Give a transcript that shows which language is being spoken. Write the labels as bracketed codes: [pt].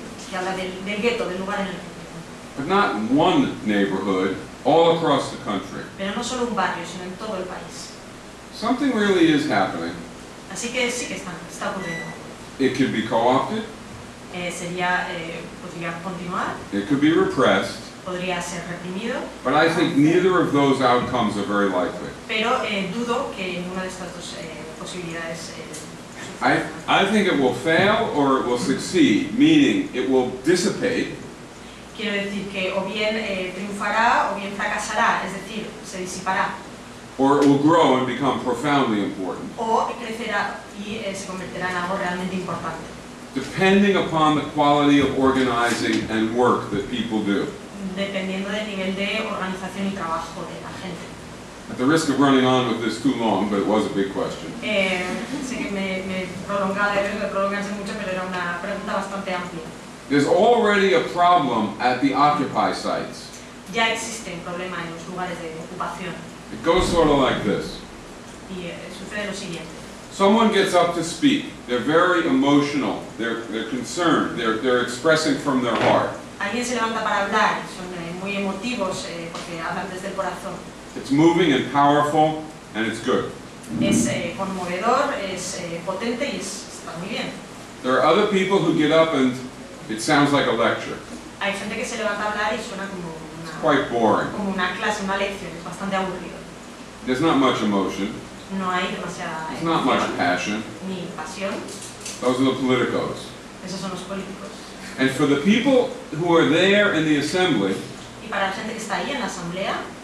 [en] But not one neighborhood, all across the country. [es] Pero no solo un barrio, sino en todo el país. [en] Something really is happening. [es] Así que sí que está ocurriendo. [en] It could be co-opted. [es] Sería, podría continuar. [en] It could be repressed. [es] Podría ser reprimido. [en] But I think neither of those outcomes are very likely. [es] Pero dudo que ninguna de estas dos posibilidades. [en] I think it will fail or it will succeed, meaning it will dissipate. [es] Quiero decir que o bien triunfará o bien fracasará, es decir, se disipará. [en] Or it will grow and become profoundly important. [es] O crecerá y se convertirá en algo realmente importante. [en] Depending upon the quality of organizing and work that people do. [es] Dependiendo del nivel de organización y trabajo de la gente. [en] At the risk of running on with this too long, but it was a big question. [es] Sé que me prolongase mucho, pero era una pregunta bastante amplia. [en] There's already a problem at the Occupy sites. [es] Ya existe un problema en los lugares de ocupación. [en] It goes sort of like this. [es] Sucede lo siguiente. [en] Someone gets up to speak. They're very emotional. They're concerned. They're expressing from their heart. [es] Alguien se levanta para hablar. Son muy emotivos porque hablan desde el corazón. [en] It's moving and powerful, and it's good. [es] Es conmovedor, es potente y está muy bien. [en] There are other people who get up and it sounds like a lecture. [es] Hay gente que se levanta a hablar y suena como una. [en] It's quite boring. [es] Como una clase, una lección. Es bastante aburrido. [en] There's not much emotion. [es] No hay demasiada. [en] There's not much passion. [es] Ni pasión. [en] Those are the politicos. [es] Esos son los políticos. [en] And for the people who are there in the assembly. [es] Y para la gente que está ahí en la asamblea.